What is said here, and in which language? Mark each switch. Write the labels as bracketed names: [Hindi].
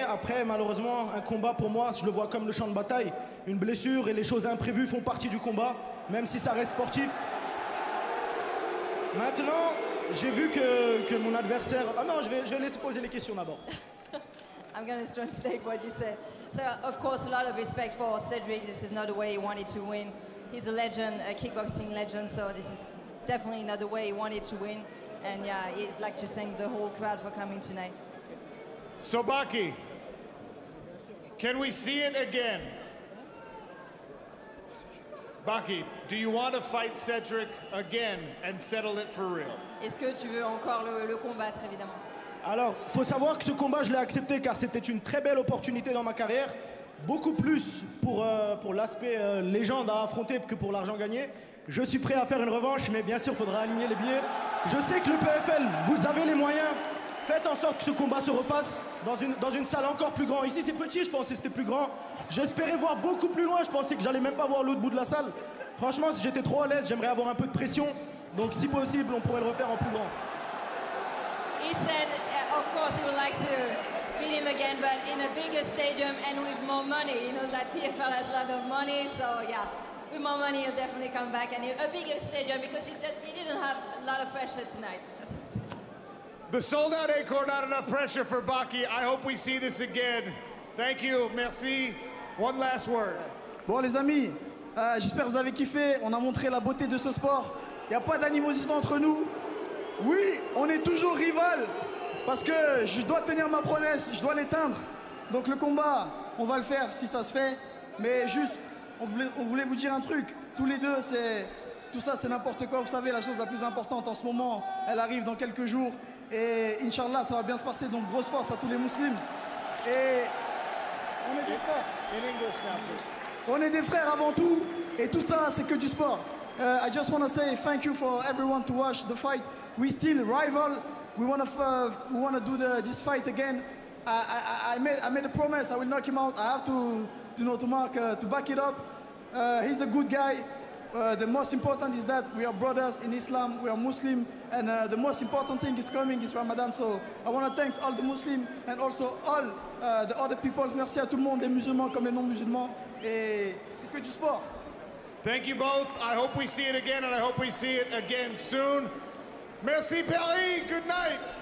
[French] Après, malheureusement, un combat pour moi, je le vois comme le champ de bataille. Une blessure et les choses imprévues font partie du combat, même si ça reste sportif. Maintenant, j'ai vu que mon adversaire... Ah non, je vais laisser poser les questions d'abord. [English] I'm going to translate what you said. So, of course, a lot of respect for Cedric. This is not the way he wanted to win. He's a legend, a kickboxing legend, so this is definitely not the way he wanted to win. And yeah, he'd like to thank the whole crowd for coming tonight. So, Baki, can we see it again? Baki, do you want to fight Cedric again and settle it for real? [French] Est-ce que tu veux encore le combattre, évidemment? Alors, faut savoir que ce combat, je l'ai accepté car c'était une très belle opportunité dans ma carrière. Beaucoup plus pour l'aspect légende à affronter que pour l'argent gagné. Je suis prêt à faire une revanche, mais bien sûr, il faudra aligner les billets. Je sais que le PFL, vous avez les moyens. Faites en sorte que ce combat se refasse dans une salle encore plus grande. Ici, c'est petit, je pensais que c'était plus grand. J'espérais voir beaucoup plus loin. Je pensais que j'allais même pas voir l'autre bout de la salle. Franchement, si j'étais trop à l'aise, j'aimerais avoir un peu de pression. Donc, si possible, on pourrait le refaire en plus grand. [English] He said, of course, he would like to beat him again, but in a bigger stadium and with more money. He knows that PFL has a lot of money, so yeah, with more money, he'll definitely come back. And a bigger stadium because he didn't have a lot of pressure tonight. The sold-out Acor, not enough pressure for Baki. I hope we see this again. Thank you, merci. One last word. [French] Bon, les amis, j'espère que vous avez kiffé. On a montré la beauté de ce sport. Il n'y a pas d'animosité entre nous. Oui, on est toujours rival parce que je dois tenir ma promesse, je dois l'éteindre. Donc le combat, on va le faire si ça se fait. Mais juste, on voulait vous dire un truc. Tous les deux, tout ça, c'est n'importe quoi. Vous savez, la chose la plus importante en ce moment, elle arrive dans quelques jours. Et Inch'Allah, ça va bien se passer, donc grosse force à tous les musulmans. Et on est des frères. [English] In English now, please. [French] On est des frères avant tout, et tout ça, c'est que du sport. [English] I just want to say thank you for everyone to watch the fight. We still rival. We want to do this fight again. I made a promise. I will knock him out. I have to back it up. He's a good guy. The most important is that we are brothers in Islam, we are Muslim, and the most important thing is coming is Ramadan. So I want to thank all the Muslims and also all the other people. [French] Merci à tout le monde, les musulmans comme les non-musulmans. Et c'est que du sport. [English] Thank you both. I hope we see it again, and I hope we see it again soon. Merci, Paris. Good night.